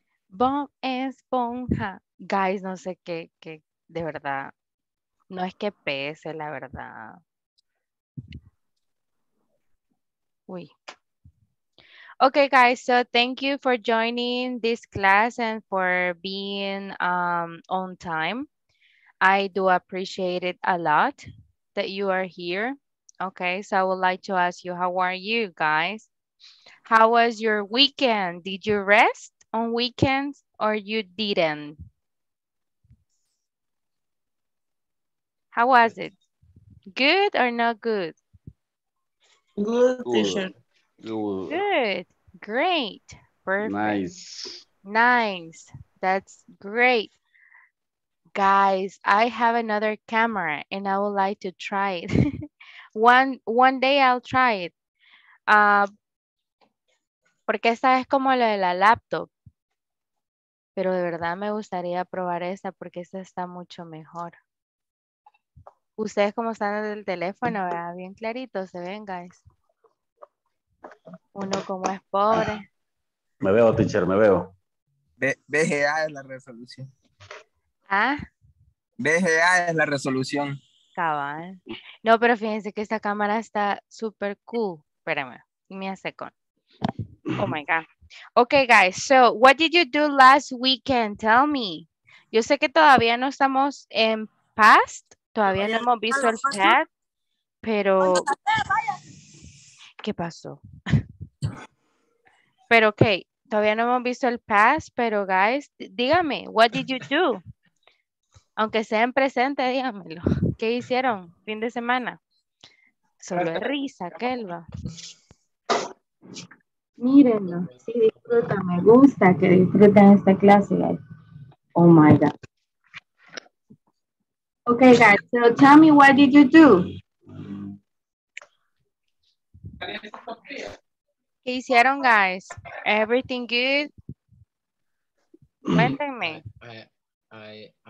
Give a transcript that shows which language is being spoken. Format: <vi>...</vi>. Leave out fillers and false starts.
<es>Bob Esponja, guys, no sé qué, de verdad, no es que pese, la verdad. Uy.</es> <en>Okay, guys, so thank you for joining this class and for being on time. I do appreciate it a lot that you are here. Okay, so I would like to ask you, how are you, guys? How was your weekend? Did you rest on weekends or you didn't? How was it? Good or not good? Good, teacher. Good. Great. Perfect. Nice. Nice. That's great. Guys, I have another camera and I would like to try it. One day I'll try it.</en> <es>Porque esta es como la de la laptop. Pero de verdad me gustaría probar esta porque esta está mucho mejor. Ustedes como están en el teléfono, ¿verdad? Bien clarito, se ven, guys. Uno como es pobre. Me veo, teacher, me veo. VGA es la resolución. ¿Ah? VGA es la resolución. Cabal. No, pero fíjense que esta cámara está súper cool. Espérame, me hace con.</es> <en>Oh, my God. Okay, guys, so what did you do last weekend? Tell me.</en> <es>Yo sé que todavía no estamos en past, todavía no hemos visto el past, pero... ¿Qué pasó? Pero, okay, todavía no hemos visto el past, pero, guys, dígame,</es> <en>what did you do?</en> <es>Aunque sea en presente, dígamelo. ¿Qué hicieron fin de semana? Solo es risa, Kelva. Mírenlo, sí, disfruta, me gusta que disfruten esta clase, guys.</es> <en>Oh my God. Okay, guys, so tell me, what did you do?</en> <es>¿Qué hicieron, guys?</es> <en>Everything good?</en> <es>Cuéntenme.</es> <en>I</en>